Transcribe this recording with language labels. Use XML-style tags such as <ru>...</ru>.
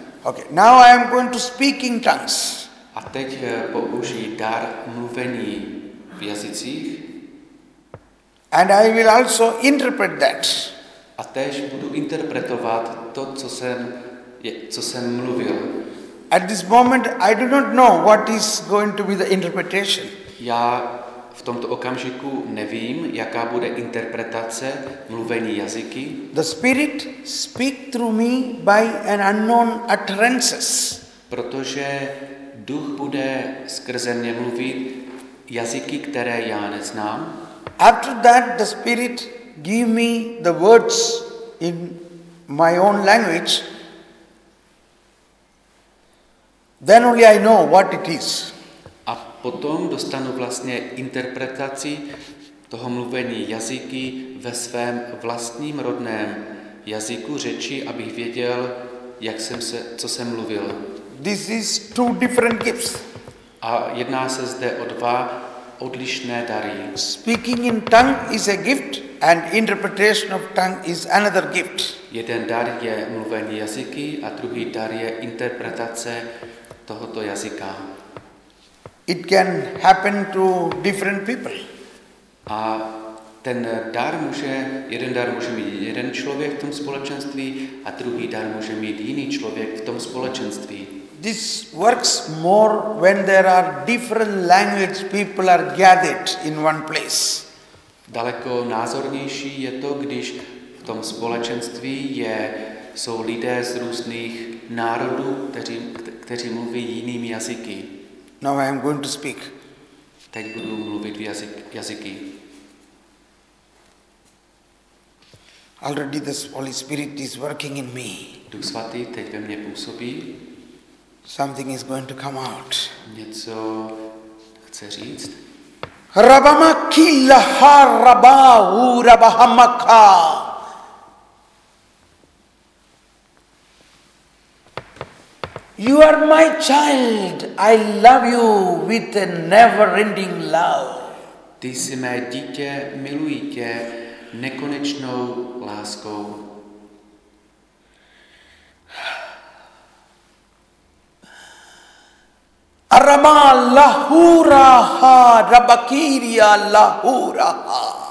<en>Okay. Now I am going to speak in tongues.</en> <cs>A teď použij dar mluvení v jazycích.</cs> <en>And I will also interpret that.</en> <cs>A též budu interpretovat to, co jsem mluvil.</cs> <en>At this moment I do not know what is going to be the interpretation.</en> <cs>Já v tomto okamžiku nevím, jaká bude interpretace mluvení jazyky.</cs> <en>The spirit speak through me by an unknown utterances.</en> <cs>Protože duch bude skrze mě mluvit jazyky, které já neznám.</cs> <en>After that the spirit give me the words in my own language, then only I know what it is.</en> <cs>A potom dostanu vlastně interpretaci toho mluvení jazyky ve svém vlastním rodném jazyku řeči, abych věděl, co jsem mluvil.</cs> <en>This is two different gifts.</en> <cs>A jedná se zde o dva odlišné dary.</cs> <en>Speaking in tongue is a gift. And interpretation of tongue is another gift.</en> <cs>Jeden dar je mluvení jazyky a druhý dar je interpretace tohoto jazyka.</cs> <en>It can happen to different people.</en> <cs>A ten dar může, jeden dar může mít jeden člověk v tom společenství a druhý dar může mít jiný člověk v tom společenství.</cs> <en>This works more when there are different language people are gathered in one place.</en> <cs>Daleko názornější je to, když v tom společenství jsou lidé z různých národů, kteří mluví jinými jazyky.</cs> <en>Now I am going to speak.</en> <cs>Teď budu mluvit jazyky.</cs> <en>Already the Holy Spirit is working in me.</en> <cs>Duch svatý teď ve mně působí.</cs> <en>Something is going to come out.</en> <cs>Něco chce říct. Rabama killa haraba urabahamaka.</cs> <en>You are my child. I love you with a never-ending love.</en> <cs>Ty jsi mé dítě, miluji tě nekonečnou láskou. Arama lahura ha rabakiria lahura ha.</cs>